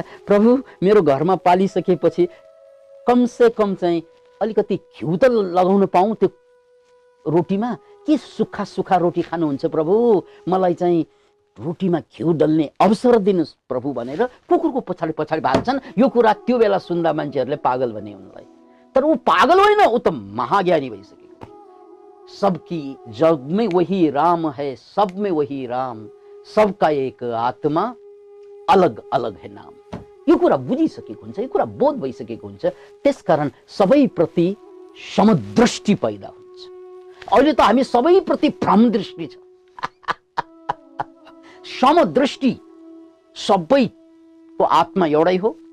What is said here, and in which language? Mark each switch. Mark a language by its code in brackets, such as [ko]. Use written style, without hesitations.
[ne] प्रभु मेरो घरमा पालिसकेपछि कमसे कम चाहिँ अलिकति घिउ त लगाउनु पाऊँ त्यो रोटीमा. के सुक्खा सुक्खा रोटी खानुहुन्छ प्रभु, मलाई चाहिँ रोटीमा घिउ डल्ने अवसर दिनुहोस् प्रभु भनेर कुकुरको पछाडि पछाडि भाग्छन्. यो कुरा त्यो बेला सुन्दा मान्छेहरूले पागल भने उनलाई, तर ऊ पागल होइन, ऊ त महाज्ञानी भइसकेको. [hi] सबकी जगमै वही राम है, सबमै वही राम, सबका एक आत्मा अलग अलग है नाम. [ne] यो कुरा बुझिसकेको हुन्छ, यो कुरा बोध भइसकेको हुन्छ. त्यसकारण सबैप्रति समदृष्टि पैदा हुन्छ. अहिले त हामी सबैप्रति भ्रमदृष्टि छ. समदृष्टि, सबैको आत्मा एउटै हो.